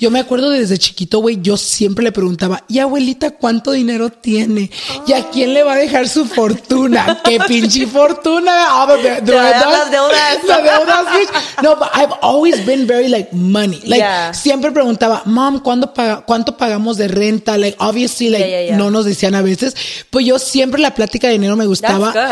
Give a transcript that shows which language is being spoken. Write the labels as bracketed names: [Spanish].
[Spanish] Yo me acuerdo desde chiquito, güey, yo siempre le preguntaba, ¿y abuelita cuánto dinero tiene? Oh. ¿Y a quién le va a dejar su fortuna? ¿Qué pinche fortuna? Las deudas, [English] bitch. No, but I've always been very like money. [Spanish] Like, siempre preguntaba, mom, ¿cuánto pagamos de renta? [English] Like, obviously, like, [Spanish] no nos decían a veces. Pues yo siempre la plática de dinero me gustaba.